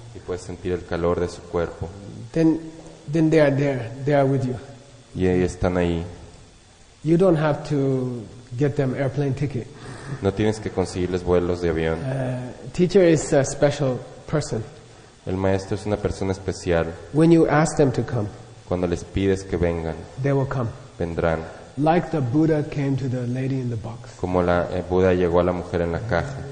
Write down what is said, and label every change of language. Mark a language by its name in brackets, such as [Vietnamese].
[Spanish] Y puedes sentir el calor de su cuerpo. [English] Then they are there. They are with you. [Spanish] Y ahí están ahí. [English] You don't have to get them airplane ticket. [Spanish] No tienes que conseguirles vuelos de avión. [English] Teacher is a special person. [Spanish] El maestro es una persona especial. [English] When you ask them to come. [Spanish] Cuando les pides que vengan. [English] They will come. [Spanish] Vendrán. [English] Like the Buddha came to the lady in the box. [Spanish] Como el Buda llegó a la mujer en la caja.